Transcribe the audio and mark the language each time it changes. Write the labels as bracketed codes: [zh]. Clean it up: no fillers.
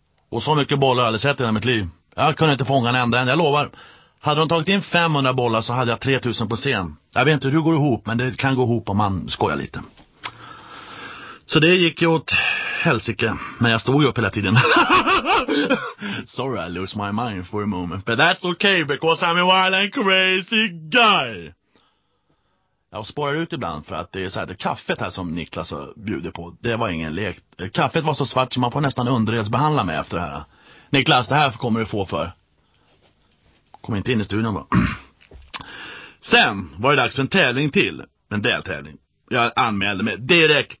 [sv] Och så mycket bollar jag aldrig sett i mitt liv. Jag kunde inte fånga en enda än, jag lovar. Hade de tagit in 500 bollar så hade jag 3000 på scen. Jag vet inte hur det går ihop, men det kan gå ihop om man skojar lite. Så det gick ju åt helsike. Men jag stod ju upp hela tiden. [en] Sorry, I lose my mind for a moment. But that's okay, because I'm a wild and crazy guy. [sv] Jag spårar ut ibland, för att det är så här, det kaffet här som Niklas bjuder på, det var ingen lek. Kaffet var så svart som man får nästan underredsbehandla med efter det här. Niklas, det här kommer du få för. Kom inte in i studion bara. Sen var det dags för en tävling till. En deltävling. Jag anmälde mig direkt.